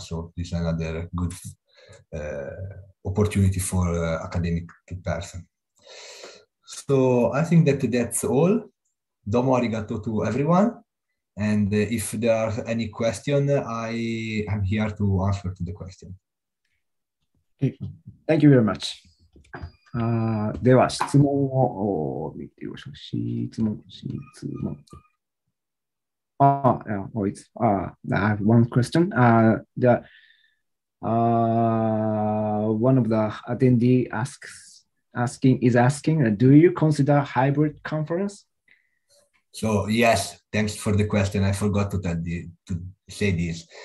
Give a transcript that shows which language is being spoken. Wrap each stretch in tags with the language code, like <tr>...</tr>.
<en>So this is another good opportunity for academic person. So I think that's all.</en> <ja>Domo arigato</ja> <en>to everyone. And if there are any question, I am here to answer to the question. Thank you very much.</en> <ja>では質問を見てみましょうし、質問。</ja> <en>I have one question. One of the attendee is asking, do you consider hybrid conference? So yes, thanks for the question. I forgot to say this.</en>